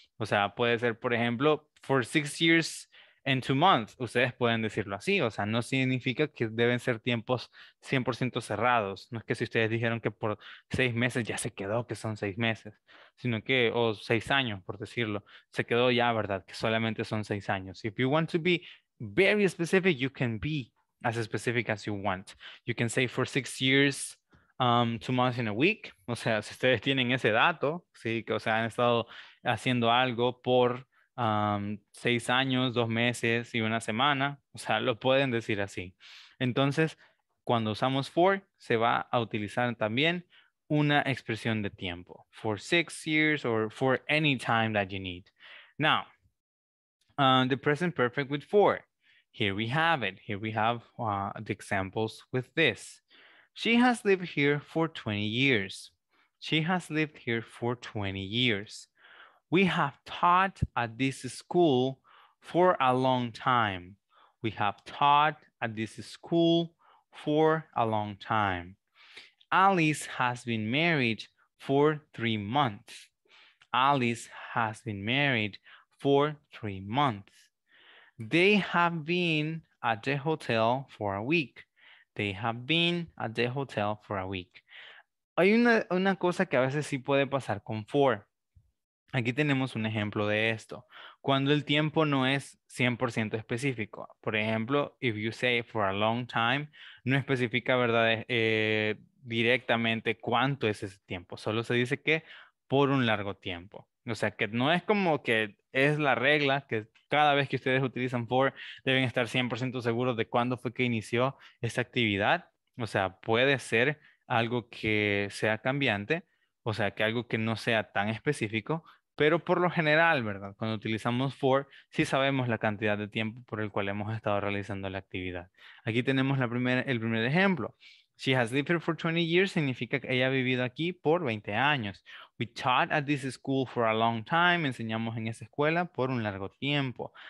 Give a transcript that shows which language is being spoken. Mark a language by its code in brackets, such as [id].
[es] O sea, puede ser, por ejemplo, [en] for 6 years and 2 months. [es] Ustedes pueden decirlo así. O sea, no significa que deben ser tiempos 100% cerrados. No es que si ustedes dijeron que por 6 meses ya se quedó, que son 6 meses, sino que, o 6 años, por decirlo, se quedó ya, ¿verdad? Que solamente son 6 años. [en] If you want to be very specific, you can be as specific as you want. You can say for 6 years, 2 months in a week. [es] O sea, si ustedes tienen ese dato, sí, que, o sea, han estado haciendo algo por 6 años, 2 meses y 1 semana, o sea, lo pueden decir así. Entonces, cuando usamos for, se va a utilizar también una expresión de tiempo. [en] For 6 years or for any time that you need. Now, the present perfect with for. Here we have it. Here we have the examples with this. She has lived here for 20 years. She has lived here for 20 years. We have taught at this school for a long time. We have taught at this school for a long time. Alice has been married for 3 months. Alice has been married for 3 months. They have been at the hotel for a week. They have been at the hotel for a week. [es] Hay una cosa que a veces sí puede pasar con for. Aquí tenemos un ejemplo de esto. Cuando el tiempo no es 100% específico. Por ejemplo, [en] if you say for a long time, [es] no especifica, ¿verdad? Directamente cuánto es ese tiempo. Solo se dice que por un largo tiempo. O sea, que no es como que es la regla que cada vez que ustedes utilizan for, deben estar 100% seguros de cuándo fue que inició esta actividad. O sea, puede ser algo que sea cambiante, o sea, que algo que no sea tan específico, pero por lo general, ¿verdad? Cuando utilizamos for, sí sabemos la cantidad de tiempo por el cual hemos estado realizando la actividad. Aquí tenemos el primer ejemplo. [en] She has lived here for 20 years [es] significa que ella ha vivido aquí por 20 años. [en] We taught at this school for a long time. [es] Enseñamos en esa escuela por un largo tiempo.